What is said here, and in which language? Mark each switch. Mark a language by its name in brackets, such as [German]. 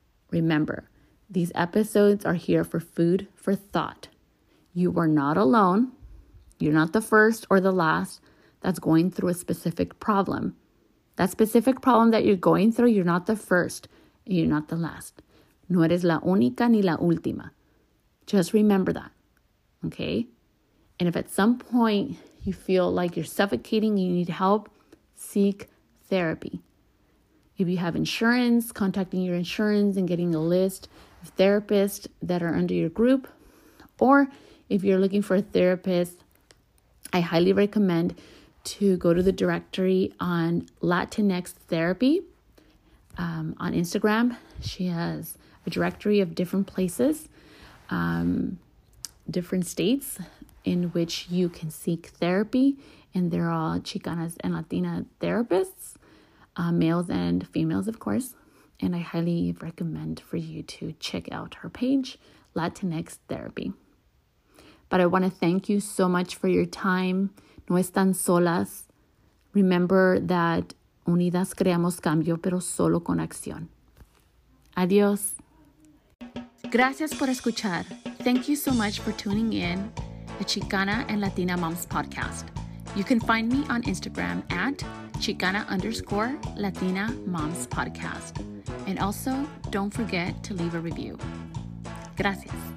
[English] Remember, these episodes are here for food for thought. You are not alone. You're not the first or the last that's going through a specific problem. That specific problem that you're going through, you're not the first. And you're not the last. [Spanish] No eres la única ni la última. [English] Just remember that, okay? And if at some point you feel like you're suffocating, you need help, seek therapy. If you have insurance, contacting your insurance and getting a list of therapists that are under your group, or if you're looking for a therapist, I highly recommend to go to the directory on Latinx Therapy on Instagram. She has a directory of different places, different states in which you can seek therapy. And they're all Chicanas and Latina therapists, males and females, of course. And I highly recommend for you to check out her page, Latinx Therapy. But I want to thank you so much for your time. [Spanish] No están solas. [English] Remember that [Spanish] unidas creamos cambio, pero solo con acción. Adiós. Gracias por escuchar. [English] Thank you so much for tuning in the Chicana and Latina Moms podcast. You can find me on Instagram at Chicana_Latina Moms podcast. And also, don't forget to leave a review. Gracias.